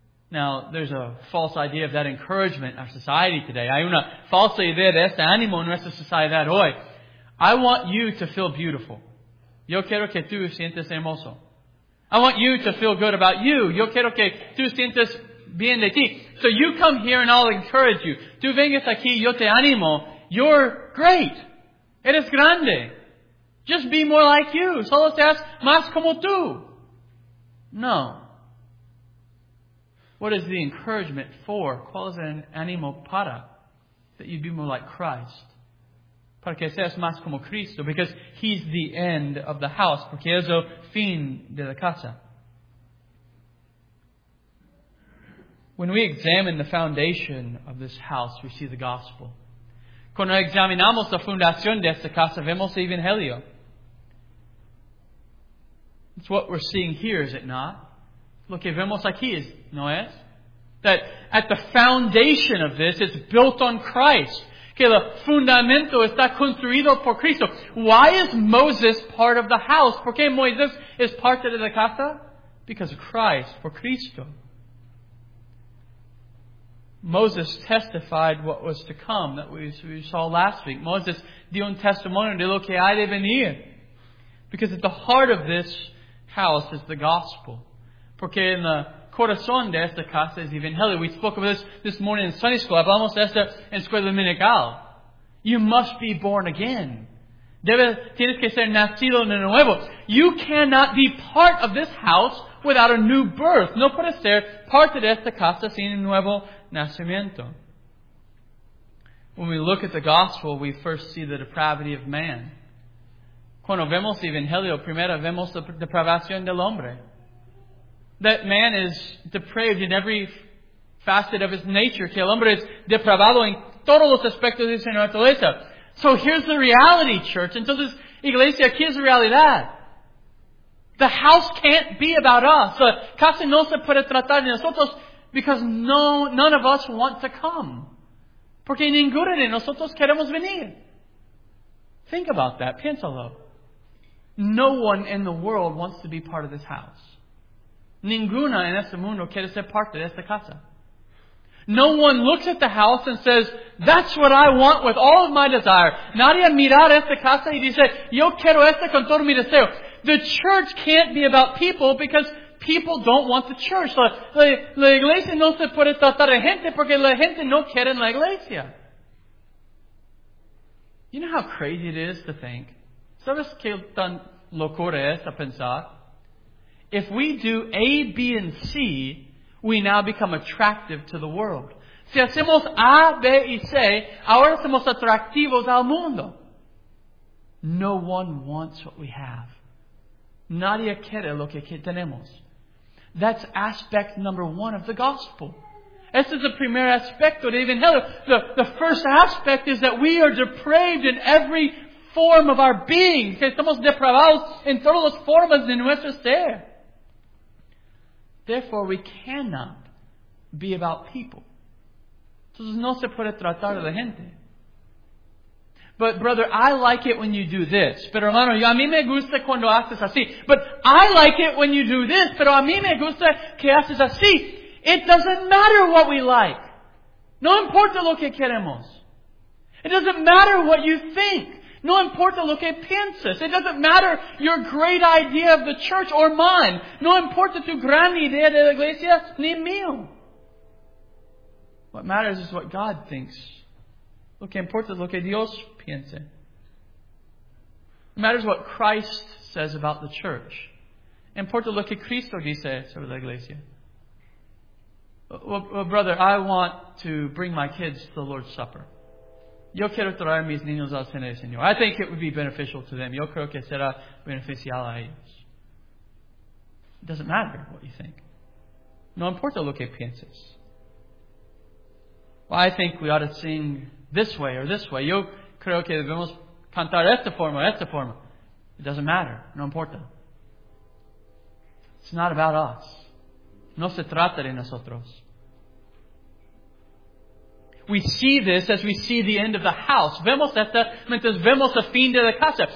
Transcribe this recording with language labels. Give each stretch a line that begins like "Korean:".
English: Now, there's a false idea of that encouragement in our society today.
Spanish: Hay una falsa idea de este ánimo en nuestra sociedad hoy.
English: I want you to feel beautiful.
Spanish: Yo quiero que tú sientes hermoso.
English: I want you to feel good about you.
Spanish: Yo quiero que tú sientes bien de ti.
English: So you come here and I'll encourage you.
Spanish: Tú vengas aquí, yo te animo.
English: You're great.
Spanish: Eres grande.
English: Just be more like you.
Spanish: Solo te haz más como tú. No.
English: What is the encouragement for?
Spanish: ¿Cuál es el ánimo para?
English: That you'd be more like Christ.
Spanish: Para que seas más como Cristo.
English: Because He's the end of the house.
Spanish: Porque es el fin de la casa.
English: When we examine the foundation of this house, we see the gospel.
Spanish: Cuando examinamos la fundación de esta casa, vemos el evangelio.
English: It's what we're seeing here, is it not?
Spanish: Lo que vemos aquí es, ¿no es?
English: That at the foundation of this, it's built on Christ.
Spanish: Que el fundamento está construido por Cristo.
English: Why is Moses part of the house?
Spanish: ¿Por qué Moisés es parte de la casa?
English: Because of Christ,
Spanish: por Cristo.
English: Moses testified what was to come, that we saw last week.
Spanish: Moses dio un testimonio de lo que ha de venir.
English: Because at the heart of this house is the gospel.
Spanish: Porque en el corazón de esta casa es evangelio.
English: We spoke of this morning in Sunday school.
Spanish: Hablamos de esta en escuela dominical.
English: You must be born again.
Spanish: Tienes que ser nacido de nuevo.
English: You cannot be part of this house without a new birth.
Spanish: No puedes ser parte de esta casa sin un nuevo nacimiento.
English: When we look at the gospel, we first see the depravity of man.
Spanish: Cuando vemos el evangelio, primero vemos la depravación del hombre.
English: That man is depraved in every facet of his nature.
Spanish: Que el hombre es depravado en todos los aspectos de su naturaleza.
English: So here's the reality, church.
Spanish: Entonces, iglesia, aquí es la realidad.
English: The house can't be about us.
Spanish: La casa no se puede tratar de nosotros
English: because none of us want to come.
Spanish: Porque ninguno de nosotros queremos venir.
English: Think about that.
Spanish: Piénsalo.
English: No one in the world wants to be part of this house.
Spanish: Ninguna en este mundo quiere ser parte de esta casa.
English: No one looks at the house and says, that's what I want with all of my desire.
Spanish: Nadie mira esta casa y dice, yo quiero esta con todo mi deseo.
English: The church can't be about people because people don't want the church.
Spanish: La iglesia no se puede tratar de gente porque la gente no quiere la iglesia.
English: You know how crazy it is to think?
Spanish: ¿Sabes qué tan locura es a pensar?
English: If we do A, B, and C, we now become attractive to the world.
Spanish: Si hacemos A, B, y C, ahora somos atractivos al mundo.
English: No one wants what we have.
Spanish: Nadie quiere lo que tenemos.
English: That's aspect number one of the gospel.
Spanish: Este es el primer aspecto de Evangelio.
English: The first aspect is that we are depraved in every form of our being.
Spanish: Que estamos depravados en todas las formas de nuestro ser.
English: Therefore, we cannot be about people.
Spanish: Entonces, no se puede tratar de la gente.
English: But, brother, I like it when you do this.
Spanish: Pero, hermano, a mí me gusta cuando haces así.
English: But I like it when you do this.
Spanish: Pero a mí me gusta que haces así.
English: It doesn't matter what we like.
Spanish: No importa lo que queremos.
English: It doesn't matter what you think.
Spanish: No importa lo que piensas.
English: It doesn't matter your great idea of the church or mine.
Spanish: No importa tu gran idea de la iglesia ni mío.
English: What matters is what God thinks.
Spanish: Lo que importa es lo que Dios piensa.
English: It matters what Christ says about the church.
Spanish: Importa lo que Cristo dice sobre la iglesia.
English: Well, brother, I want to bring my kids to the Lord's Supper.
Spanish: Yo quiero traer mis niños al Cena del Señor.
English: I think it would be beneficial to them.
Spanish: Yo creo que será beneficial a ellos.
English: It doesn't matter what you think.
Spanish: No importa lo que pienses.
English: Well, I think we ought to sing this way or this way.
Spanish: Yo creo que debemos cantar esta forma o esta forma.
English: It doesn't matter.
Spanish: No importa.
English: It's not about us.
Spanish: No se trata de nosotros.
English: We see this as we see the end of the house.
Spanish: Vemos esta mientras vemos el fin de la casa.